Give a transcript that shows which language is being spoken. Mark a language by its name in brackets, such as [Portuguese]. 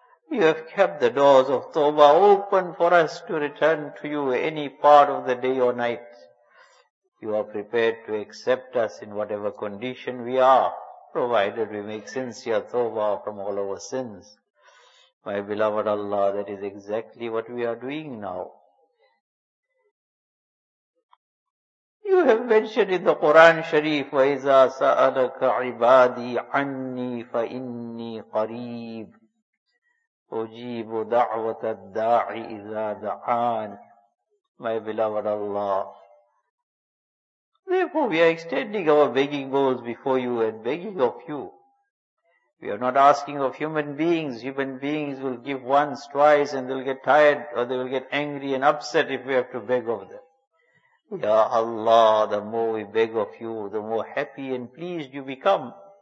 [English] You have kept the doors of Tawbah open for us to return to you any part of the day or night. You are prepared to accept us in whatever condition we are, provided we make sincere Tawbah from all our sins. My beloved Allah, that is exactly what we are doing now. You have mentioned in the Quran Sharif, [Arabic] وَإِذَا سَأَلَكَ عِبَادِي عَنِّي فَإِنِّي قَرِيبٌ أُجِيبُ دَعْوَةَ الدَّاعِ إِذَا دَعَانِ [English] My beloved Allah. Therefore we are extending our begging bowls before you and begging of you. We are not asking of human beings. Human beings will give once, twice and they'll get tired or they will get angry and upset if we have to beg of them. Ya Allah, the more we beg of you, the more happy and pleased you become.